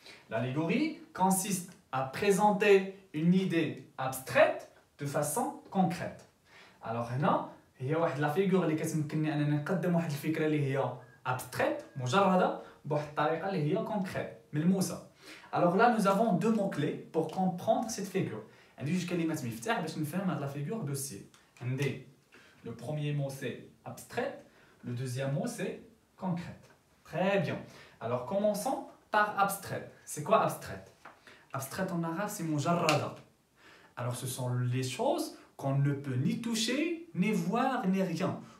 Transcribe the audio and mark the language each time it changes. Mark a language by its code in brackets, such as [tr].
[fr] L'allégorie consiste à présenter une idée abstraite de façon concrète. [ar] Alors, هنا هي واحد لا فيغور اللي كتمكنني انني نقدم واحد الفكره اللي هي abstraite, مجرده بواحد الطريقه اللي هي concrète, ملموسه. [fr] Alors là nous avons deux mots clés pour comprendre cette figure. [ar] عندي جوج كلمات مفتاح باش نفهم هاد لا فيغور دوسيي. [fr] عندي le premier mot c'est abstraite, le deuxième mot c'est concrète. Très bien. Alors commençons par abstraite. C'est quoi abstraite? Abstraite en arabe, c'est mujarrada. Alors, ce sont les choses qu'on ne peut ni toucher, ni voir, ni rien.